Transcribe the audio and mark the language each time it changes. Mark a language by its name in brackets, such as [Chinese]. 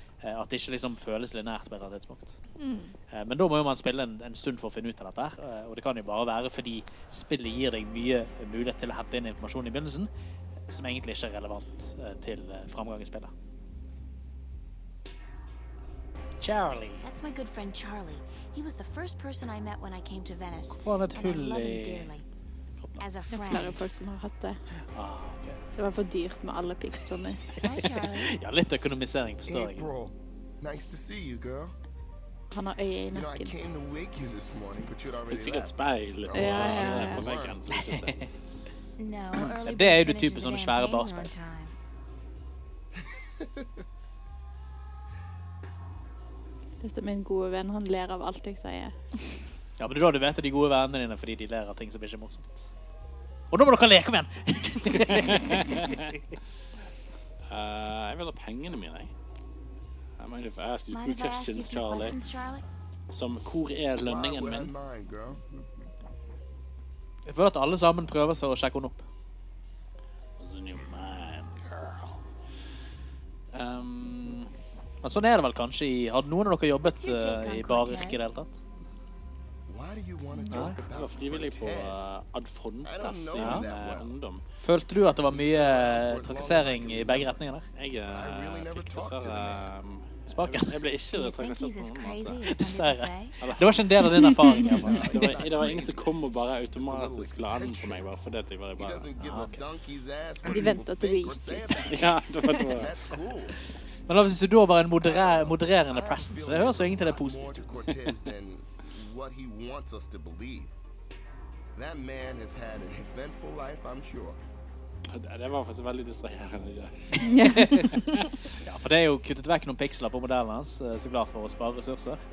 [Norwegian] At det ikke liksom føles linært på et tidspunkt. Mm. Men da må jo man spille en stund for å finne ut av dette her. Og det kan jo bare være fordi spillet gir deg mye mulighet til å hente inn informasjon i begynnelsen, som egentlig ikke er relevant til framgang i spillet. [English] Charlie. That's my good friend Charlie. He was the first person I met when I came to Venice. [Norwegian] Hvorfor han et hull i... [English] As a friend. [Norwegian] Det er flere folk som har hatt det. Det var for dyrt med alle pikstrene. Ja, litt økonomisering, forstår jeg. [English] April. Nice to see you, girl. [Norwegian] Han har øye i nakken. Det er sikkert speil. Ja. Det er jo det type sånne svære barspeil. Hehehe. Dette er min gode venn, han ler av alt jeg sier. Ja, men du da, du vet at de gode vennene dine er fordi de ler av ting som ikke er morsomt. Og nå må dere leke med en! jeg vil ha pengene mine, jeg. [English] I mind if I ask you a few questions, Charlie? [Norwegian] Som, hvor lønningen min? Jeg føler at alle sammen prøver seg å sjekke henne opp. [English] What's in your mind, girl? [Norwegian] Men sånn er det vel kanskje i... Har noen av dere jobbet i baryrket i det hele tatt? Nei, jeg var frivillig på Ad Fontes i min ungdom. Følte du at det var mye trakassering i begge retninger der? Jeg fikk dessverre sparken. Jeg ble ikke trakassert på noen måte. Dessverre. Det var ikke en del av din erfaring. Det var ingen som kom og bare automatisk la den på meg, bare fordi jeg bare... Ja, okay. De ventet til du gikk. Ja, det var det. Men da synes du da var en modererende presence. Det høres jo ingenting det er positivt ut. [English] What he wants us to believe. That man has had an eventful life, I'm sure. [Norwegian] Det var faktisk veldig distraherende. Ja. Ja, for det er jo kuttet vekk noen piksler på modellen hans, så glad for å spare ressurser.